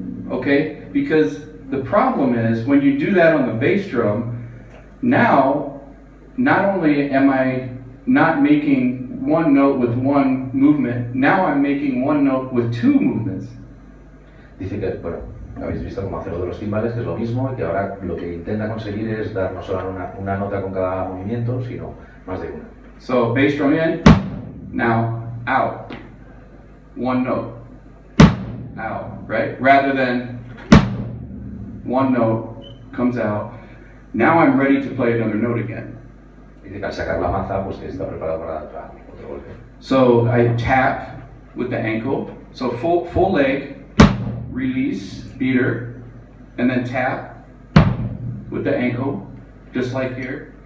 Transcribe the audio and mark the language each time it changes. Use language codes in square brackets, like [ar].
[en] Okay, because the problem is when you do that on the bass drum, now not only am I not making one note with one movement, now I'm making one note with two movements. [es] Dice que, bueno, habéis visto cómo hace lo de los timbales, que es lo mismo, y que ahora lo que intenta conseguir es dar no solo una nota con cada movimiento, sino más de una. [en] So, bass drum in, now, out. One note, out, right? Rather than one note, comes out. Now I'm ready to play another note again. [es] Dice que al sacar la maza, pues que está preparado para otro golpe. [en] So, I tap with the ankle. So, full leg. Release, beater, and then tap with the ankle, just like here.